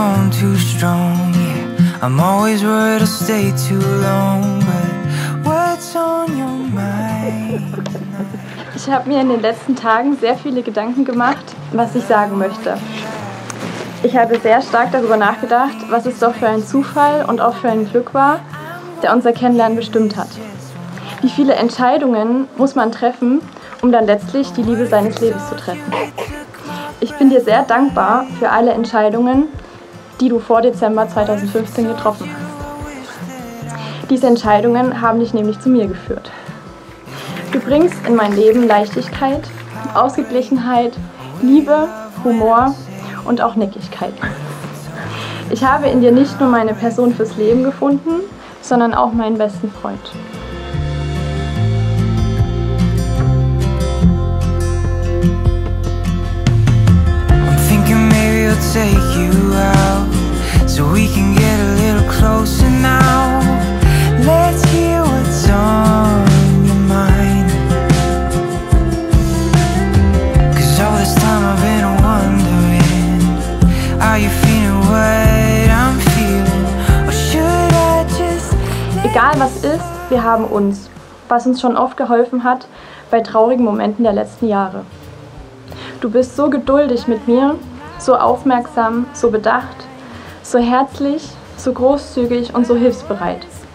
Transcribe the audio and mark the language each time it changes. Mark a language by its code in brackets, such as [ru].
[en] Too strong, yeah. I'm always worried to stay too long, but what's on your mind? [de] Ich habe mir in den letzten Tagen sehr viele Gedanken gemacht, was ich sagen möchte. Ich habe sehr stark darüber nachgedacht, was es doch für ein Zufall und auch für ein Glück war, der unser Kennenlernen bestimmt hat. Wie viele Entscheidungen muss man treffen, um dann letztlich die Liebe seines Lebens zu treffen? Ich bin dir sehr dankbar für alle Entscheidungen, die du vor Dezember 2015 getroffen hast. Diese Entscheidungen haben dich nämlich zu mir geführt. Du bringst in mein Leben Leichtigkeit, Ausgeglichenheit, Liebe, Humor und auch Neckigkeit. Ich habe in dir nicht nur meine Person fürs Leben gefunden, sondern auch meinen besten Freund. [en] I'm thinking maybe I'll take you out. So we can get a little closer now. Let's hear what's on your mind. Cause all this time I've been wondering, are you feeling what I'm feeling? Or should I just... [de] Egal was ist, wir haben uns. Was uns schon oft geholfen hat bei traurigen Momenten der letzten Jahre. Du bist so geduldig mit mir, so aufmerksam, so bedacht, so herzlich, so großzügig und so hilfsbereit.